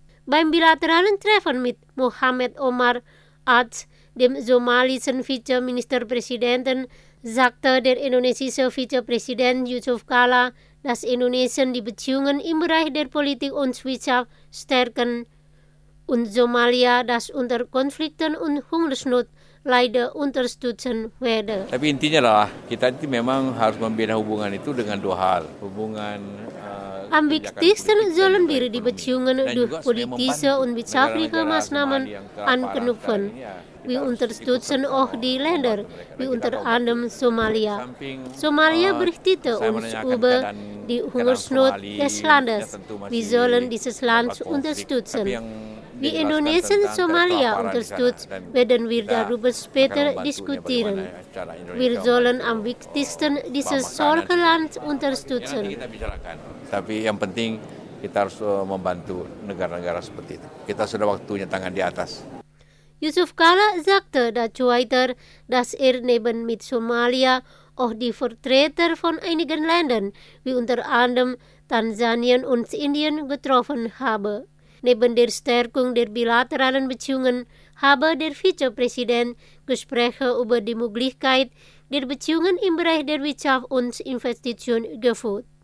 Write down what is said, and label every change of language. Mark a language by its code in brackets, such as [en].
[de] Beim bilateralen Treffen mit Mohamed Omar Ad, dem somalischen Vizeministerpräsidenten, sagte der indonesische Vizepräsident Yusuf Kala, dass Indonesien die Beziehungen im Bereich der Politik und Wirtschaft stärken und Somalia, das unter Konflikten und Hungersnot leider unterstützen werde. [id] Tapi intinya lah, kita itu memang harus membina hubungan itu dengan dua hal. Hubungan [de] am wichtigsten sollen wir die Beziehungen durch politische und wirtschaftliche Maßnahmen anknüpfen. Wir unterstützen auch die Länder, wie unter anderem Somalia. Somalia berichtet uns über die Hungersnot des Landes. Wir sollen dieses Land unterstützen. Wie Indonesien Somalia unterstützt, werden wir darüber später diskutieren. Wir sollen am wichtigsten dieses solche Land unterstützen. [id] Tapi yang penting kita harus membantu negara-negara seperti itu. Kita sudah waktunya tangan di atas. [de] Yusuf Kala sagte dazu weiter, dass neben mit Somalia auch die Vertreter von einigen Ländern, wie unter anderem Tansanien und Indien, getroffen habe. Neben der Stärkung der bilateralen Beziehungen habe der Vizepräsident Gespräche über die Möglichkeit der Beziehungen im Bereich der Wirtschaft und Investition geführt.